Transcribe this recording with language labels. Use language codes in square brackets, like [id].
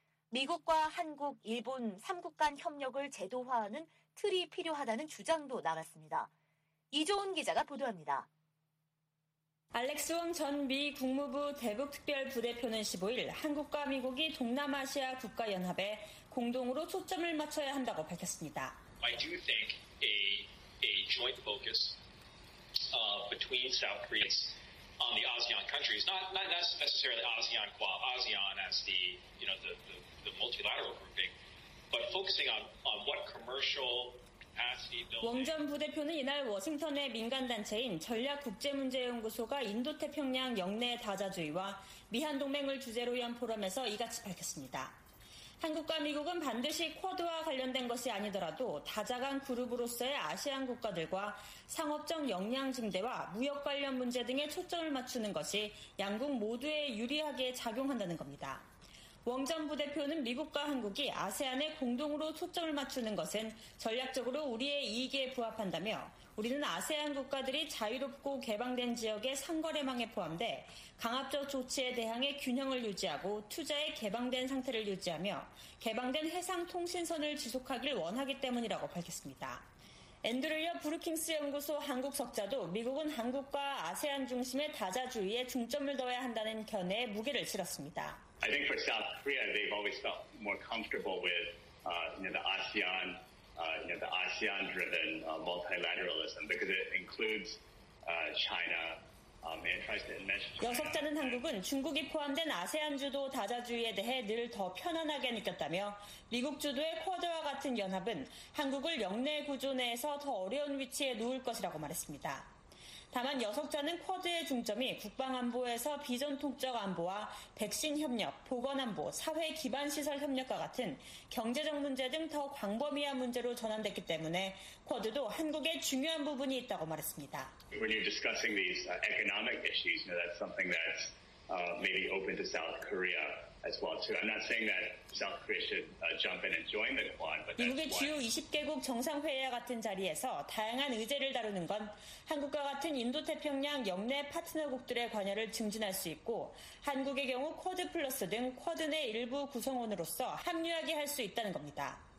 [ko] 미국과 한국, 일본 3국 간 협력을 제도화하는 틀이 필요하다는 주장도 나갔습니다. 이조은 기자가 보도합니다. 알렉스 웅 전 미 국무부 대북특별부대표는 15일 한국과 미국이 동남아시아 국가연합에 공동으로 초점을 맞춰야 한다고 밝혔습니다. [en] I do think a joint focus between South Koreans on the ASEAN countries, not necessarily ASEAN qua ASEAN as the, you know, the multilateral grouping, but focusing on what commercial [ko] 웡 전 부대표는 이날 워싱턴의 민간단체인 전략국제문제연구소가 인도태평양 역내 다자주의와 미한동맹을 주제로 연 포럼에서 이같이 밝혔습니다. 한국과 미국은 반드시 쿼드와 관련된 것이 아니더라도 다자간 그룹으로서의 아시안 국가들과 상업적 역량 증대와 무역 관련 문제 등에 초점을 맞추는 것이 양국 모두에 유리하게 작용한다는 겁니다. 웡 전 부대표는 미국과 한국이 아세안에 공동으로 초점을 맞추는 것은 전략적으로 우리의 이익에 부합한다며 우리는 아세안 국가들이 자유롭고 개방된 지역의 상거래망에 포함돼 강압적 조치에 대항해 균형을 유지하고 투자에 개방된 상태를 유지하며 개방된 해상 통신선을 지속하길 원하기 때문이라고 밝혔습니다. 앤드류 브루킹스 연구소 한국 석좌도 미국은 한국과 아세안 중심의 다자주의에 중점을 둬야 한다는 견해에 무게를 실었습니다. [en] I think for South Korea, they've always felt more comfortable with the ASEAN-driven multilateralism because it includes China. [ko] 여석자는 한국은 중국이 포함된 아세안 주도 다자주의에 대해 늘 더 편안하게 느꼈다며 미국 주도의 쿼드와 같은 연합은 한국을 역내 구조 내에서 더 어려운 위치에 놓을 것이라고 말했습니다. 다만 여석자는 쿼드의 중점이 국방안보에서 비전통적 안보와 백신 협력, 보건안보, 사회 기반시설 협력과 같은 경제적 문제 등 더 광범위한 문제로 전환됐기 때문에 쿼드도 한국의 중요한 부분이 있다고 말했습니다. [en] When you're discussing these economic issues, you know, that's something that's maybe open to South Korea. [ko] 미국의 주요 20개국 정상회의와 같은 자리에서 다양한 의제를 다루는 건 한국과 같은 인도태평양 역내 파트너국들의 관여를 증진할 수 있고 한국의 경우 쿼드 플러스 등 쿼드 내 일부 구성원으로서 합류하게 할 수 있다는 겁니다.